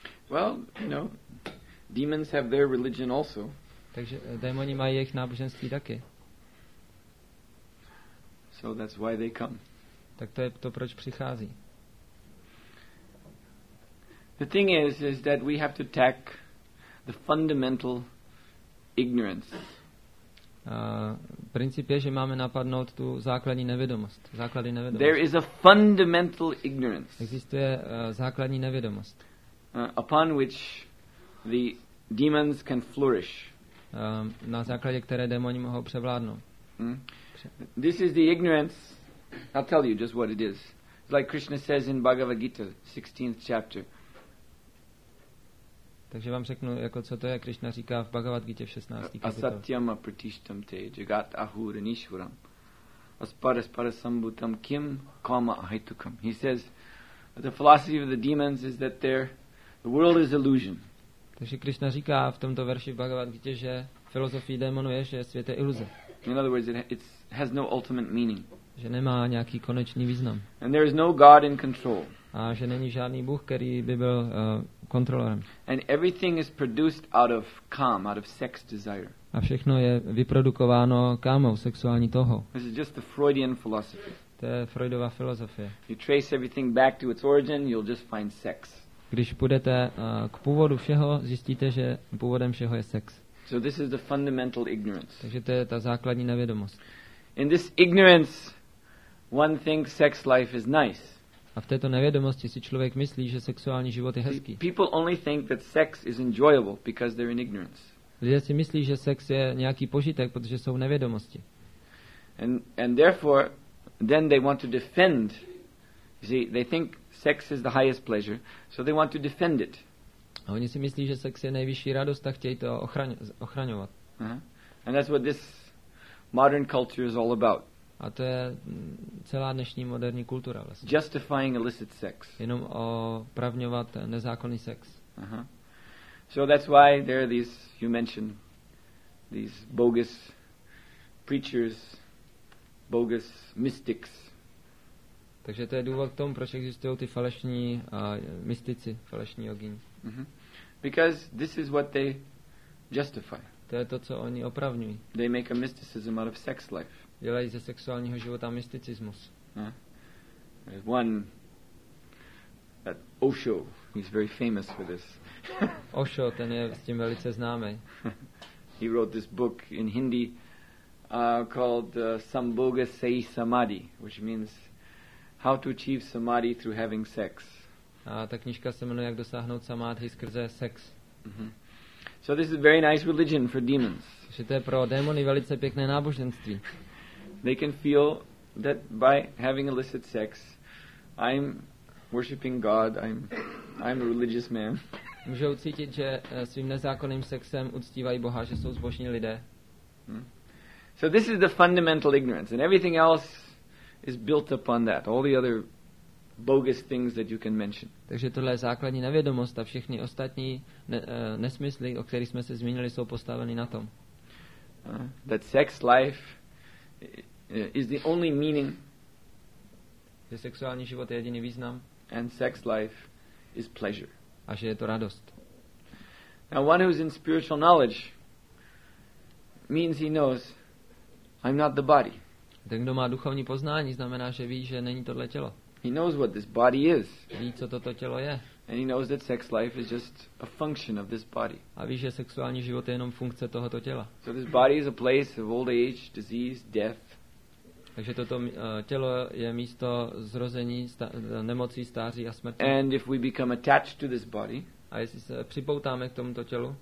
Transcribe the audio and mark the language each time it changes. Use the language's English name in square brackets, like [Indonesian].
[English] Well, you know, demons have their religion also. [Czech] Takže démoni mají jejich náboženství taky. [English] So that's why they come. [Czech] Tak to je to, proč přichází. [English] The thing is that we have to attack the fundamental ignorance. [Czech] Princip je, že máme napadnout tu základní nevědomost. Základní nevědomost. [English] There is a fundamental ignorance. [Czech] Existuje základní nevědomost. [English] Upon which the demons can flourish. [Czech] Na základě které démoni mohou převládnout. [English] This is the ignorance. I'll tell you just what it is. It's like Krishna says in Bhagavad Gita, 16th chapter. [Czech] Takže vám řeknu, jako co to je, Krishna říká v Bhagavad Gita v 16. kapitole. [Sanskrit] Asatyam apratishtam te jagat ahura nishvaram. Asparaspara sambhutam kim kama ahitukam. [English] He says, the philosophy of the demons is that The world is illusion. [Czech] Takže Krišna říká v tomto verši Bhagavad Gita, že filozofie démonů je, že svět je iluze. [English] In other words, it has no ultimate meaning. [Czech] Že nemá nějaký konečný význam. [English] And there is no God in control. [Czech] A že není žádný Bůh, který by byl kontrolorem. [English] And everything is produced out of kam, out of sex desire. [Czech] A všechno je vyprodukováno kámou, sexuální toho. [English] This is just the Freudian philosophy. [Czech] To je Freudova filozofie. [English] If you trace everything back to its origin, you'll just find sex. [Czech] Když půjdete k původu všeho, zjistíte, že původem všeho je sex. [English] So this is the fundamental ignorance. [Czech] Takže to je ta základní nevědomost. [English] In this ignorance, one thinks sex life is nice. [Czech] A v této nevědomosti si člověk myslí, že sexuální život je hezký. [English] People only think that sex is enjoyable because they're in ignorance. [Czech] Lidé si myslí, že sex je nějaký požitek, protože jsou v nevědomosti. [English] And therefore, then they want to defend. See, they think sex is the highest pleasure, so they want to defend it. [Czech] A oni si myslí, že sex je nejvyšší radost, a chtějí to ochraňovat. Uh-huh. [English] And that's what this modern culture is all about. [Czech] A to je celá dnešní moderní kultura vlastně. [English] Justifying illicit sex. [Czech] Jenom opravňovat nezákonný sex. Uh-huh. [English] So that's why there are these, you mentioned, these bogus preachers, bogus mystics. [Czech] Takže to je důvod k tomu, proč existují ty falešní mystici, falešní jogíni. [English] Mm-hmm. Because this is what they justify. [Czech] To je to, co oni opravňují. [English] They make a mysticism out of sex life. [Czech] Dělají ze sexuálního života mysticismus. [English] There's one at Osho, he's very famous for this. [Czech] Osho, ten je s tím velice známý. [English] He wrote this book in Hindi called Sambhoga Sai Samadhi, which means how to achieve samadhi through having sex. [Czech] A ta knížka se jmenuje Jak dosáhnout samadhi skrze sex. Mm-hmm. [English] So this is a very nice religion for demons. [Czech] Že to je pro démony velice pěkné náboženství. [English] They can feel that by having illicit sex, I'm worshiping God, I'm a religious man. [Czech] Můžou cítit, že svým nezákonným sexem uctívají Boha, že jsou zbožní lidé. [English] So this is the fundamental ignorance, and everything else is built upon that. All the other bogus things that you can mention. [Czech] Takže tohle je základní nevědomost a všechny ostatní nesmysly, o kterých jsme se zmínili, jsou postaveny na tom. [English] That sex life is the only meaning. [Czech] Že sexuální život je jediný význam. [English] And sex life is pleasure. [Czech] A že je to radost. [English] Now one who is in spiritual knowledge means he knows I'm not the body. [Czech] Ten, kdo má duchovní poznání, znamená, že ví, že není tohle tělo. [English] He knows what this body is. [Czech] Ví, co toto tělo je. [English] And he knows that sex life is just a function of this body. [Czech] A ví, že sexuální život je jenom funkce tohoto těla. [English] So this body is a place of old age, disease, death. [Czech] Takže toto tělo je místo zrození, nemocí, stáří a smrti. [English] And if we become attached to this body, [Czech] a jestli se připoutáme k tomuto tělu,